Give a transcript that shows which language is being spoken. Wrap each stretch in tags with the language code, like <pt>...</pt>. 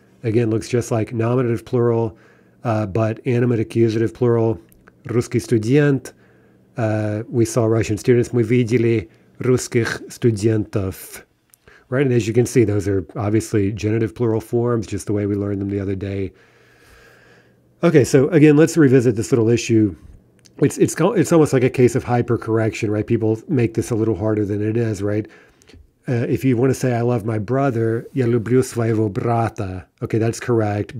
<en>Again, looks just like nominative plural, but animate accusative plural.</en> <ru>«Русский студент»,</ru> <en>we saw Russian students.</en> <ru>«Мы видели русских студентов», right?</ru> <en>And as you can see, those are obviously genitive plural forms, just the way we learned them the other day. Okay, so again, let's revisit this little issue. It's almost like a case of hypercorrection, right? People make this a little harder than it is, right? If you want to say, «I love my brother»,</en> <ru>«Я люблю своего брата»,</ru> <en>okay, that's correct.</en>